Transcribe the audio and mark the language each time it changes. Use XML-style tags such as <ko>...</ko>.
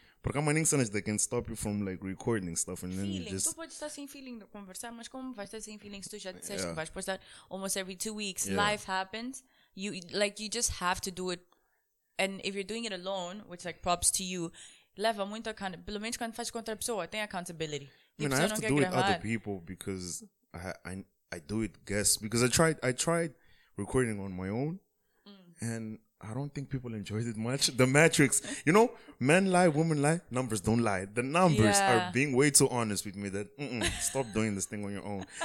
<pt>Porque há maneiras que</pt> <en>they can stop you from like recording stuff and feeling. Then you just...</en> <pt>Tu podes estar sem feeling de conversar, mas como vais estar sem feeling se tu já disseste que vais postar</pt> <en>almost every 2 weeks? Yeah. Life happens. You just have to do it. And if you're doing it alone, which like props to you,</en> <pt>leva muito</pt> <en>accountability.</en> <pt>Pelo menos quando faz com outra pessoa, tem accountability.</pt> <en>I have to do it with other people because I do it guests. Because I tried recording on my own and... I don't think people enjoyed it much. The metrics, you know, men lie, women lie, numbers don't lie. The numbers are being way too honest with me that stop doing this thing on your own.</en>